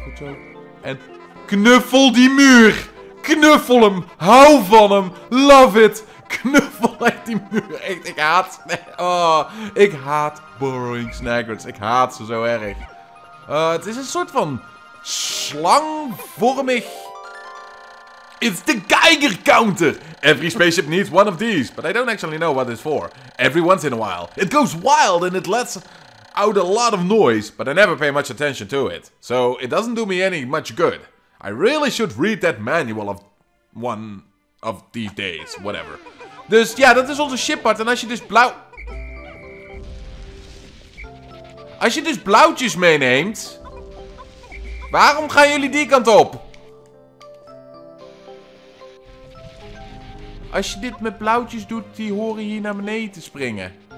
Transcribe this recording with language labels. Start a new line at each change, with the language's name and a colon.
Dutch: Goed zo. En knuffel die muur. Knuffel hem. Hou van hem.
English: Love it.
Dutch: Knuffel echt die muur. Echt, ik haat... Oh, ik haat Burrowing Snagrits. Ik haat ze zo erg. Het is een soort van slangvormig...
English: It's the Geiger counter. Every spaceship needs one of these. But I don't actually know what it's for. Every once in a while. It goes wild and it lets... out a lot of noise, but I never pay much attention to it. So, it doesn't do me any much good. I really should read that manual of one of these days, whatever.
Dutch: Dus ja, dat is onze ship part. En als je dus blauw... Als je dus blauwtjes meeneemt... Waarom gaan jullie die kant op? Als je dit met blauwtjes doet, die horen hier naar beneden te springen.